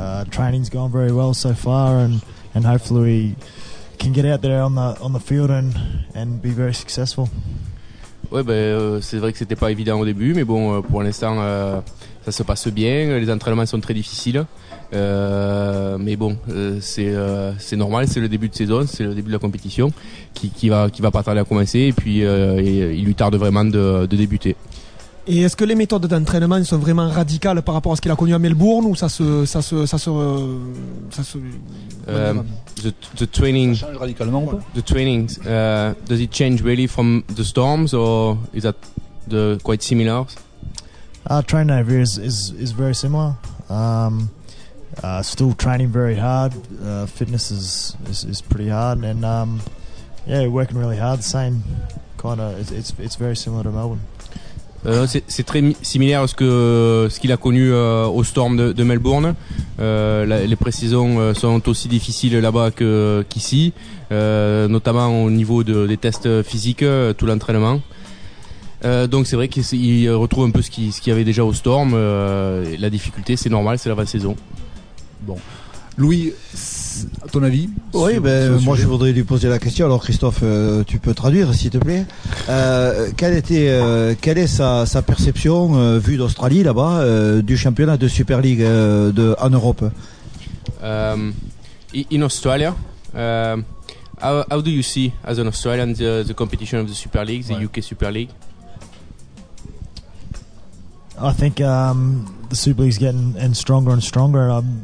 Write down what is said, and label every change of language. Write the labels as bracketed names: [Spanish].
[English] Training's gone very well so far, and hopefully we can get out there on the field and be very successful. [French] Ouais, c'est vrai que c'était pas évident au début, mais bon, pour l'instant, ça se passe bien, les entraînements sont très difficiles. Mais bon, c'est normal, c'est le début de saison, c'est le début de la compétition qui va pas tarder à commencer et puis il lui tarde vraiment de débuter. Et est-ce que les méthodes d'entraînement sont vraiment radicales par rapport à ce qu'il a connu à Melbourne ou [English] The training [French] ça change radicalement ou pas? [English] The training does it change really from the storms or is that the quite similar? Training every is very similar. Still training very hard. Fitness is pretty hard and working really hard. Same kind of it's very similar to Melbourne. [French] C'est très similaire à ce qu'il a connu au Storm de Melbourne. Les pré-saisons sont aussi difficiles là-bas qu'ici, notamment au niveau des tests physiques, tout l'entraînement. Donc c'est vrai qu'il retrouve un peu ce qu'il y avait déjà au Storm. La difficulté, c'est normal, c'est la fin de saison. Bon. Louis, à ton avis? Oui, moi je voudrais lui poser la question. Alors Christophe, tu peux traduire s'il te plaît. Quelle est sa perception vue d'Australie là-bas du championnat de Super League en Europe? [English] In Australia, how do you see as an Australian the competition of the Super League, the UK Super League? I think the Super League's getting stronger and stronger.